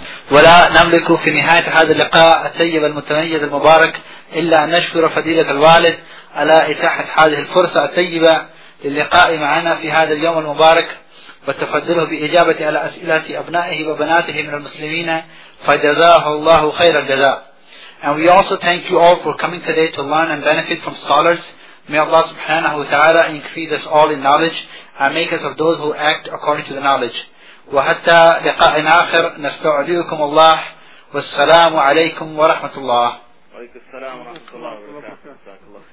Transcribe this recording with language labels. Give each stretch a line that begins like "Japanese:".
Arabic: ولا نملك في نهاية هذا اللقاء الطيب المتميز المبارك إلا أن نشكر فضيلة الوالد على إتاحة هذه الفرصة الطيبة للقاء معنا في هذا اليوم المبارك، وتفضله بإجابة على أسئلة أبنائه وبناته من المسلمين، فجزاه الله خير الجزاء.
English: And we also thank you all for coming today to learn and benefit from scholars. May Allah subhanahu wa ta'ala increase us all in knowledge and make us of those who act according to the knowledge.
Arabic: وحتى لقاء آخر نستودعكم الله، والسلام عليكم ورحمة الله. وعليكم السلام ورحمة الله وبركاته.